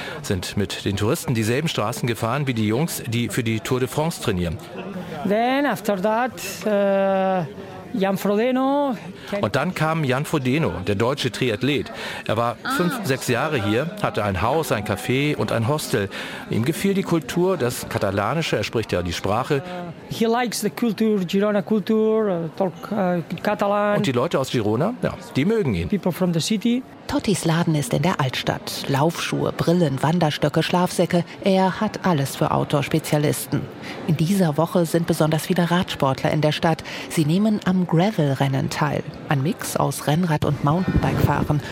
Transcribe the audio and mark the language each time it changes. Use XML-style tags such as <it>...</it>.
<de>Sind mit den Touristen dieselben Straßen gefahren wie die Jungs, die für die Tour de France trainieren.</de> <en>Then after that, Jan Frodeno.</en> <de>Und dann kam Jan Frodeno, der deutsche Triathlet. Er war 5, 6 Jahre hier, hatte ein Haus, ein Café und ein Hostel. Ihm gefiel die Kultur, das Katalanische, er spricht ja die Sprache.</de> <en>He likes the culture, Girona culture, talk Catalan.</en> <de>Und die Leute aus Girona, ja, die mögen ihn.</de> <en>People from the city.</en> <de>Tottis Laden ist in der Altstadt. Laufschuhe, Brillen, Wanderstöcke, Schlafsäcke. Er hat alles für Outdoor-Spezialisten. In dieser Woche sind besonders viele Radsportler in der Stadt. Sie nehmen am Gravel-Rennen teil. Ein Mix aus Rennrad- und Mountainbike-Fahren.</de>